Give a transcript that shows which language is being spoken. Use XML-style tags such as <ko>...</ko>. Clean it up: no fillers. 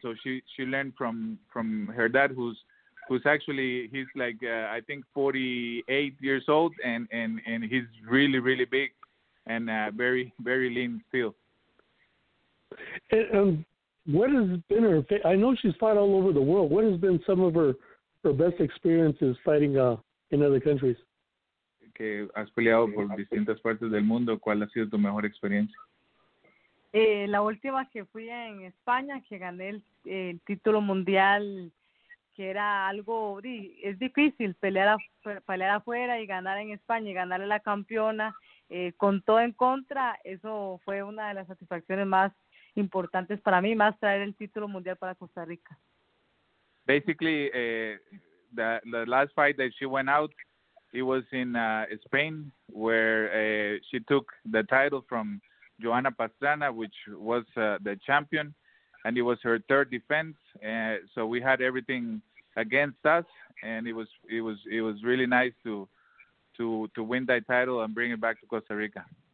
<en>So she learned from her dad, who's actually, he's like, I think 48 years old, and he's really, really big and very, very lean still. And what has been her, I know she's fought all over the world. What has been some of her best experiences fighting in other countries?</en> <es>Que has peleado por distintas partes del mundo, ¿cuál ha sido tu mejor experiencia? La última que fui en España, que gané el título mundial, que era algo, es difícil pelear afuera y ganar en España y ganarle a la campeona, con todo en contra, eso fue una de las satisfacciones más importantes para mí, más traer el título mundial para Costa Rica.</es> <en>Basically, the last fight that she went out, it was in Spain, where she took the title from Joana Pastrana, which was the champion, and it was her third defense. So we had everything against us, and it was really nice to win that title and bring it back to Costa Rica.</en>